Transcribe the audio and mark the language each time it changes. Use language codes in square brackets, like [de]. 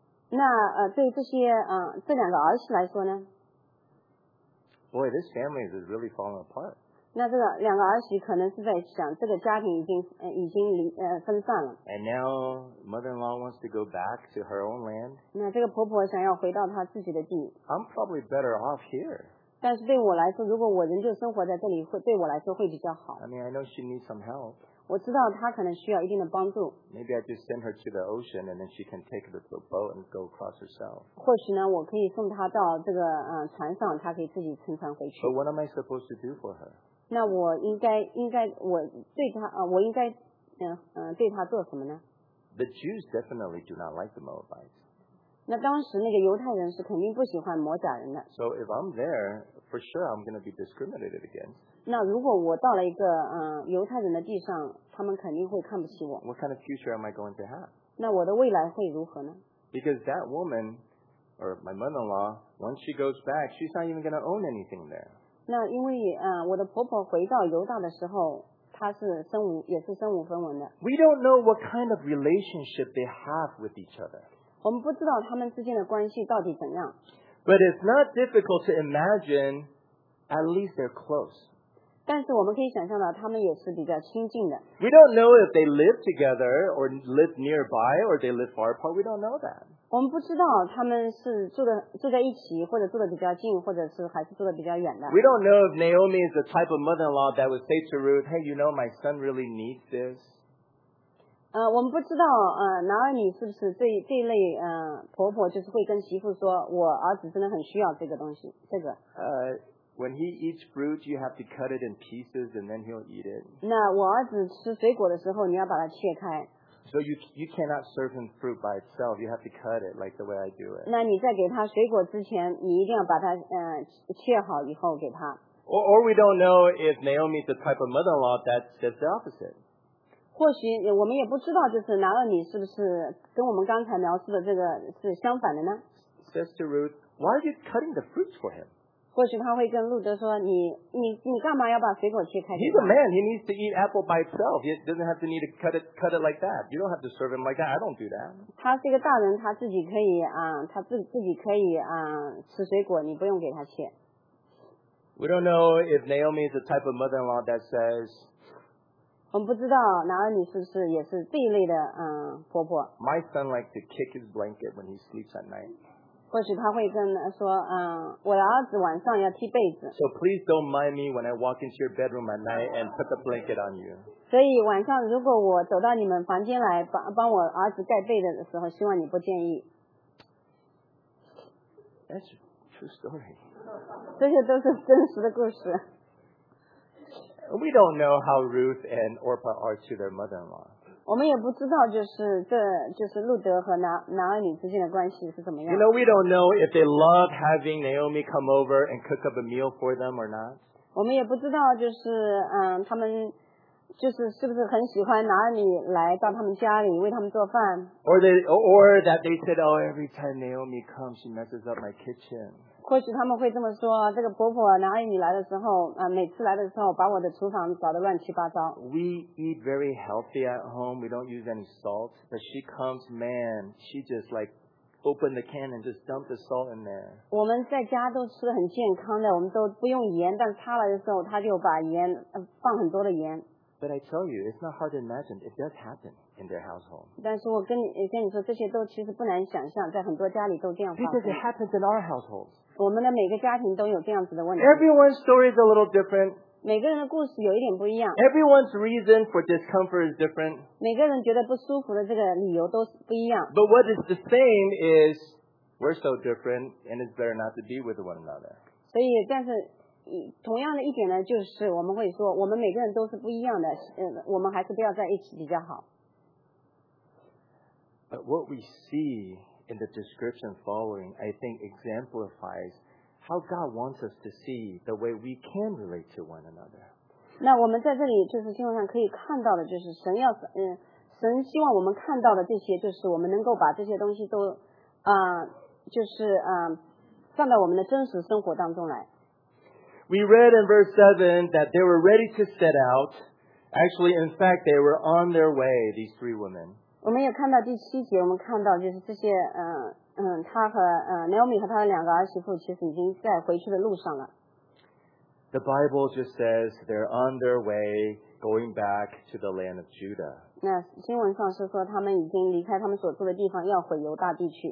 [zh] 那对这些这两个儿媳来说呢？ [en] Boy, this family is really falling apart. [zh] 那这个两个儿媳可能是在想，这个家庭已经分散了。 [en] And now mother-in-law wants to go back to her own land. [zh] 那这个婆婆想要回到她自己的地。 [en] I'm probably better off here. [zh] 但是对我来说，如果我仍旧生活在这里，会对我来说会比较好。 [en] I mean, I know she needs some help. [zh] 我知道她可能需要一定的帮助。 [en] Maybe I just send her to the ocean, and then she can take the boat and go across herself. [zh] 或许呢，我可以送她到这个船上，她可以自己乘船回去。 [en] But what am I supposed to do for her? [zh] 那我应该我对她我应该对她做什么呢？ [en] The Jews definitely do not like the Moabites. [zh] 那当时那个犹太人是肯定不喜欢摩甲人的。 [en] So if I'm there, for sure I'm going to be discriminated against. [zh] 那如果我到了一个犹太人的地上，他们肯定会看不起我。 [en] What kind of future am I going to have? [zh] 那我的未来会如何呢？ [en] Because that woman, or my mother-in-law, once she goes back, she's not even going to own anything there. [zh] 那因为我的婆婆回到犹大的时候，她是身无分文的。 [en] We don't know what kind of relationship they have with each other. [zh] 我们不知道他们之间的关系到底怎样。 [en] But it's not difficult to imagine at least they're close. [zh] 但是我们可以想象到他们也是比较亲近的。 [en] We don't know if they live together or live nearby or they live far apart. We don't know that. [zh] 我们不知道他们是住在一起或者住得比较近或者是还是住得比较远的。 [en] We don't know if Naomi is the type of mother-in-law that would say to Ruth, hey, you know, my son really needs this. [zh] 我们不知道拿尔米是不是这一类婆婆就是会跟媳妇说我儿子真的很需要这个东西这个。 [en] When he eats fruit, you have to cut it in pieces and then he'll eat it. [zh] 那我儿子吃水果的时候你要把它切开。 [en] So you cannot serve him fruit by itself, you have to cut it like the way I do it. [zh] 那你在给他水果之前你一定要把它切好以后给他。 [en] Or we don't know if Naomi is the type of mother-in-law that says the opposite. [zh] 或许我们也不知道就是拿了你是不是跟我们刚才描述的这个是相反的呢 [en] says to Ruth, why are you cutting the fruits for him? [zh] 或许他会跟路德说你干嘛要把水果切开 [en] He's a man, he needs to eat apple by itself. He doesn't have to need to cut it like that. You don't have to serve him like that. I don't do that. [zh] 他是一个大人他自己可以他自己可以吃水果你不用给他切。 [en] We don't know if Naomi is the type of mother-in-law that says, [zh] 我们不知道拿尔米是不是也是这一类的婆婆。 [en] My son likes to kick his blanket when he sleeps at night. [zh] 或许他会跟他说我的儿子晚上要踢被子。 [en] So please don't mind me when I walk into your bedroom at night and put the blanket on you. [zh] 所以晚上如果我走到你们房间来帮我儿子盖被子的时候希望你不介意。 [en] That's a true story. [zh] 这些都是真实的故事。 [en] We don't know how Ruth and Orpah are to their mother-in-law. [zh] 我们也不知道就是路德和拿尔米之间的关系是怎么样。 [en] You know, we don't know if they love having Naomi come over and cook up a meal for them or not. [zh] 我们也不知道就是他们就是是不是很喜欢拿尔米来到他们家里为他们做饭。 [en] Or that they said, oh, every time Naomi comes, she messes up my kitchen. [zh] 或许他们会这么说这个婆婆拿尔米来的时候每次来的时候把我的厨房搞得乱七八糟。 [en] We eat very healthy at home. We don't use any salt. But she comes, man, she just like opened the can and just dumped the salt in there. [zh] 我们在家都吃很健康的我们都不用盐但她来的时候她就把盐放很多的盐。 [en] But I tell you, it's not hard to imagine. It does happen in their household. [zh] 但是我跟你说这些都其实不难想象在很多家里都这样发生。 [en] Because it happens in our households. [zh] 我们的每个家庭都有这样子的问题。 [en] Everyone's story is a little different. [zh] 每个人的故事有一点不一样。 [en] Everyone's reason for discomfort is different. [zh] 每个人觉得不舒服的这个理由都不一样。 [en] But what is the same is we're so different and it's better not to be with one another. [zh] 所以但是同样的一点呢就是我们会说我们每个人都是不一样的我们还是不要在一起比较好。 [en] But what we see... In the description following, I think exemplifies how God wants us to see the way we can relate to one another. [zh] 那我们在这里就是经文上可以看到的，就是神要神希望我们看到的这些，就是我们能够把这些东西都就是放到我们的真实生活当中来。 [en] We read in verse 7 that they were ready to set out. Actually, in fact, they were on their way, these three women. [zh] 我们也看到第七节，我们看到就是这些他和Naomi 和他的两个儿媳妇其实已经在回去的路上了。 [en] The Bible just says they're on their way going back to the land of Judah. [zh] 那经文上是说他们已经离开他们所住的地方，要回犹大地去。